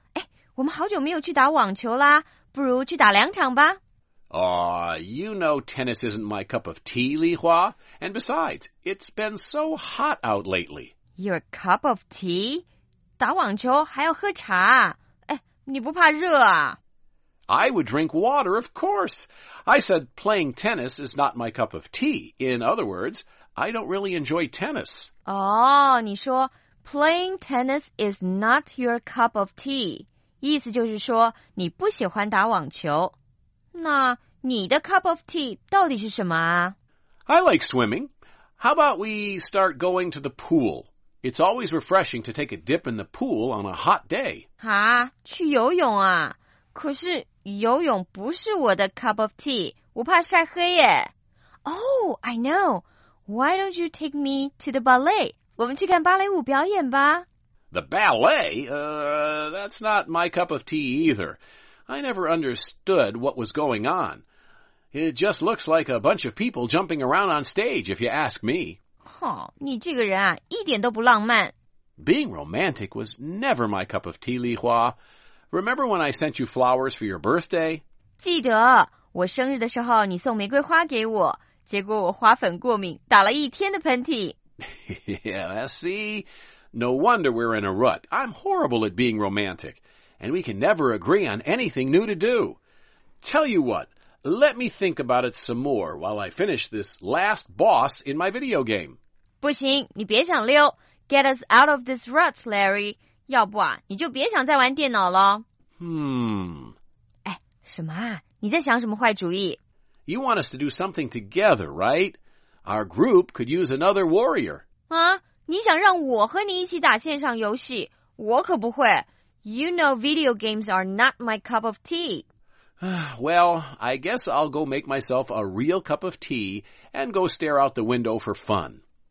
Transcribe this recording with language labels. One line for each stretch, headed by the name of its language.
Chinese: 哎，我们好久没有去打网球啦，不如去打两场吧。
English: Aw, you know tennis isn't my cup of tea, Li Hua. And besides, it's been so hot out lately. Your cup of tea?
Chinese: 打网球还要喝茶？哎，你不怕热啊？
English: I would drink water, of course. I said playing tennis is not my cup of tea. In other words, I don't really enjoy tennis. Oh,
Chinese: 你说
English: playing tennis is not your cup of tea.
Chinese: 意思就是说你不喜欢打网球。那你的
English: cup of tea
Chinese: 到底是什么啊？
English: I like swimming. How about we start going to the pool? It's always refreshing to take a dip in the pool on a hot day.
Chinese: 啊，去游泳啊？可是游泳不是我的
English: cup of tea,
Chinese: 我怕晒黑耶。
English: Oh, I know. Why don't you take me to the ballet?
Chinese: 我们去看芭蕾舞表演吧。
English: The ballet? That's not my cup of tea either. I never understood what was going on. It just looks like a bunch of people jumping around on stage, if you ask me.
Chinese: 哼，你这个人啊，一点都不浪漫。
English: Being romantic was never my cup of tea, Li Hua. Remember when I sent you flowers for your birthday?
Chinese: 记得，我生日的时候你送玫瑰花给我，结果我花粉过敏，打了一天的喷嚏。
English: Yeah, see? No wonder we're in a rut. I'm horrible at being romantic, and we can never agree on anything new to do. Tell you what, let me think about it some more while I finish this last boss in my video game.
Chinese: 不行，你别想溜。
English: Get us out of this rut, Larry.
Chinese: 要不啊，你就别想再玩电脑了。哎，什么啊？你在想什么坏主意
English: ？You want us to do something together, right? Our group could use another warrior.
Chinese: 啊，你想让我和你一起打线上游戏？我可不会。
English: You know, video games are not my cup of tea. Well, I guess I'll go make myself a real cup of tea and go stare out the window for fun.